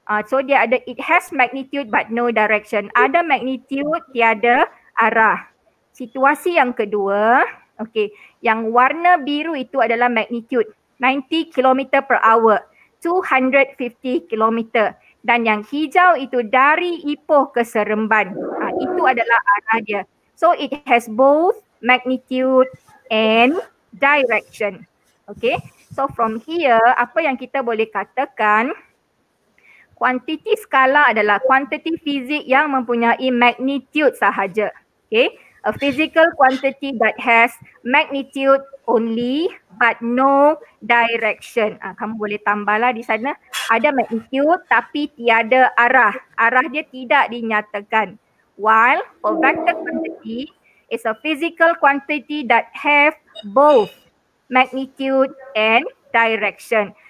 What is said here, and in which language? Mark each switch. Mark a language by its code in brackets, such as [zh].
[ms] So dia ada, [en] it has magnitude but no direction. [ms] Ada magnitude, tiada arah. Situasi yang kedua, okay, yang warna biru itu adalah magnitude. [en] 90 km per hour, 250 km. [ms] Dan yang hijau itu dari Ipoh ke Seremban. Itu adalah arah dia. [en] So it has both magnitude and direction. Okay. [ms] So from here, apa yang kita boleh katakan, kuantiti skala adalah kuantiti fizik yang mempunyai magnitude sahaja. [en] Okay, a physical quantity that has magnitude only but no direction. [ms] Kamu boleh tambahlah di sana, ada magnitude tapi tiada arah. Arah dia tidak dinyatakan. [en] While for vector quantity, it's a physical quantity that have both magnitude and direction.